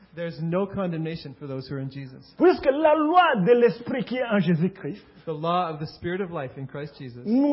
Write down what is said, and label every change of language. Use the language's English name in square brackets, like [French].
[English] There's no condemnation for those who are in Jesus. [French] Puisque la loi de l'Esprit qui est en Jésus-Christ, [English] the law of the Spirit of life in Christ Jesus,